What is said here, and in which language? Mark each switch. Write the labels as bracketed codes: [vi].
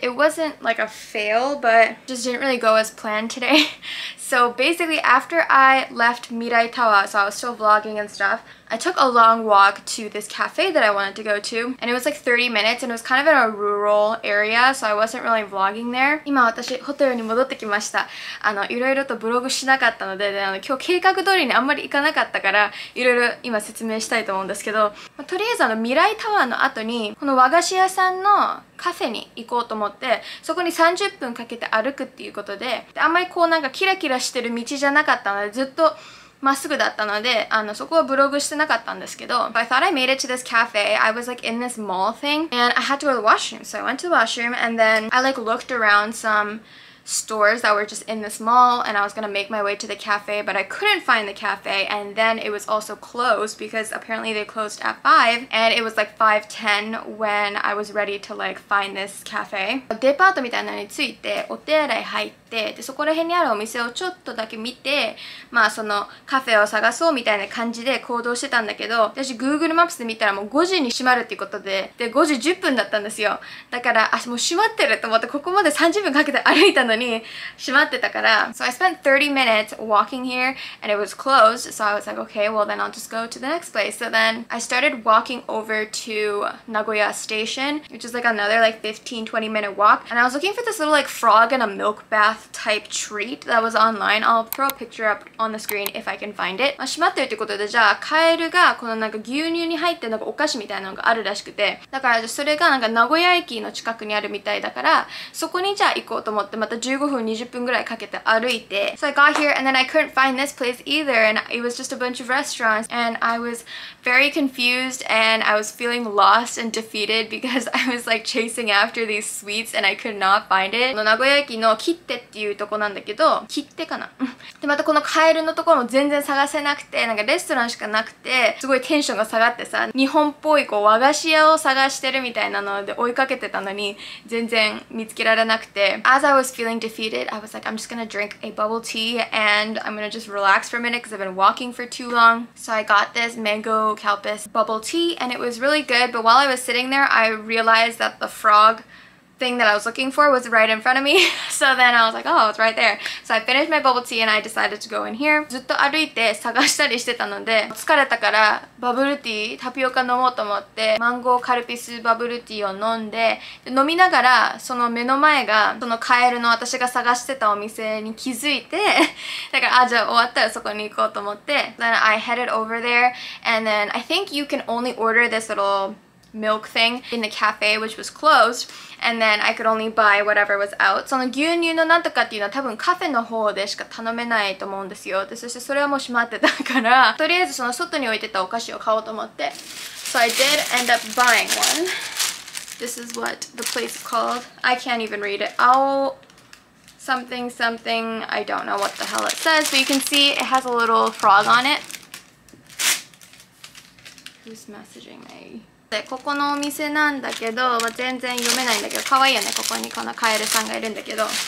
[en] It wasn't like a fail, but just didn't really go as planned today. So basically, after I left Mirai Tower, so I was still vlogging and stuff, I took a long walk to this cafe that I wanted to go to, and it was like 30 minutes, and it was kind of in a rural area, so I wasn't really vlogging there. [ja] 今私ホテルに戻ってきました。あのいろいろとブログしなかったので、であの今日計画通りにあんまり行かなかったから、いろいろ今説明したいと思うんですけど、まあ、とりあえずあのミライタワーの後にこの和菓子屋さんのカフェに行こうと思って、そこに30分かけて歩くっていうこと で、あんまりこうなんかキラキラしてる道じゃなかったので、ずっとまっすぐだったので、あの、そこはブログしてなかったんですけど。 [en] I thought I made it to this cafe. I was like in this mall thing. And I had to go to the washroom. So I went to the washroom and then I like looked around some stores that were just in this mall and I was gonna make my way to the cafe, but I couldn't find the cafe and then it was also closed because apparently they closed at 5 and it was like 5:10 when I was ready to like find this cafe. [ja] デパートみたいなのについてお手洗い入って、でそこら辺にあるお店をちょっとだけ見て、まあそのカフェを探そうみたいな感じで行動してたんだけど、私 Google マップで見たらもう5時に閉まるっていうことで、で5時10分だったんですよ。だから、あ、もう閉まってると思ってここまで30分かけて歩いたのに閉まってたから。 [en] So I spent 30 minutes walking here and it was closed. So I was like, okay, well then I'll just go to the next place. So then I started walking over to Nagoya station, which is like another like 15-20 minute walk. And I was looking for this little like frog in a milk bath type treat that was online. I'll throw a picture up on the screen if I can find it. [ja] まあ閉まってるってことで、じゃあカエルがこのなんか牛乳に入ってなんかお菓子みたいなのがあるらしくて、だからじゃそれがなんか名古屋駅の近くにあるみたいだから、そこにじゃあ行こうと思って。また15分20分ぐらいかけて歩いて。 [en] So I got here and then I couldn't find this place either and it was just a bunch of restaurants and I was very confused and I was feeling lost and defeated because I was like chasing after these sweets and I could not find it. [ja] 名古屋駅の切手っていうとこなんだけど、切手かな。でまたこのカエルのところも全然探せなくて、なんかレストランしかなくて、すごいテンションが下がってさ、日本っぽいこう和菓子屋を探してるみたいなので追いかけてたのに全然見つけられなくて。 [en] As I was feeling defeated, I was like, I'm just gonna drink a bubble tea and I'm gonna just relax for a minute because I've been walking for too long. So I got this mango kelpis bubble tea and it was really good. But while I was sitting there, I realized that the frog thing that I was looking for was right in front of me. So then I was like, oh, it's right there. So I finished my bubble tea and I decided to go in here. [ja] ずっと歩いて探したりしてたので、疲れたからバブルティー、タピオカ飲もうと思って、マンゴーカルピスバブルティーを飲んで、で飲みながら、その目の前が、そのカエルの私が探してたお店に気づいて、だから、あ、じゃあ終わったらそこに行こうと思って。 [en] Then I headed over there and then I think you can only order this little milk thing in the cafe, which was closed. And then I could only buy whatever was out. [ja] その牛乳のなんとかっていうのは多分カフェの方でしか頼めないと思うんですよ。で、そしてそれはもう閉まってたから、とりあえずその外に置いてたお菓子を買おうと思って。 [en] So I did end up buying one. This is what the place called. I can't even read it. Owl something something. I don't know what the hell it says. But you can see it has a little frog on it. Who's messaging me? [ja] で、ここのお店なんだけど、まあ、全然読めないんだけど、かわいいよね、ここにこのカエルさんがいるんだけど。